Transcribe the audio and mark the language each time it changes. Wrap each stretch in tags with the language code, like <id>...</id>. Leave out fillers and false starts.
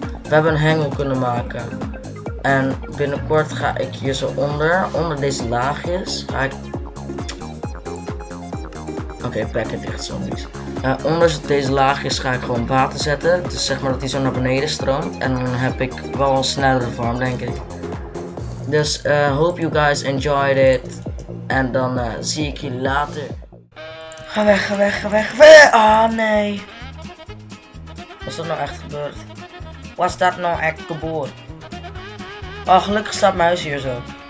<nl>We hebben een hengel kunnen maken. En binnenkort ga ik hier zo onder deze laagjes, ga ik... Oké, pack heeft echt zombies. Onder deze laagjes ga ik gewoon water zetten. Dus zeg maar dat die zo naar beneden stroomt. En dan heb ik wel een snellere vorm, denk ik. Dus</nl> <en>hope you guys enjoyed it.</en> <nl>En dan zie ik jullie later. Ga weg, ga weg, ga weg, ga weg! Oh nee! Was dat nou echt gebeurd? Was dat nou echt gebeurd? Oh, gelukkig staat mijn huis hier zo.</nl>